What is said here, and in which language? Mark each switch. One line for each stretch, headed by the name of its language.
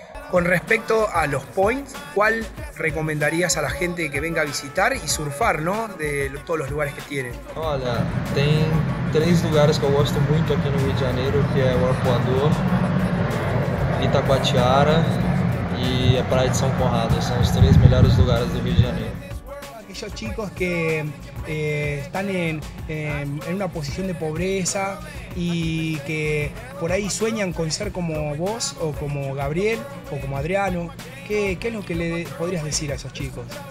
Spanish: Con respecto a los points, ¿cuál recomendarías a la gente que venga a visitar y surfar, ¿no? De todos los lugares que tienen.
Portuguese: Hola, tem tres lugares que eu gosto muito aqui no Rio de Janeiro, que é o Arpoador, Itacoatiara e a Praia de São Conrado. São os três melhores lugares do Rio de Janeiro.
Spanish: Aquellos chicos que están en una posición de pobreza y que por ahí sueñan con ser como vos o como Gabriel o como Adriano, ¿qué es lo que le podrías decir a esos chicos?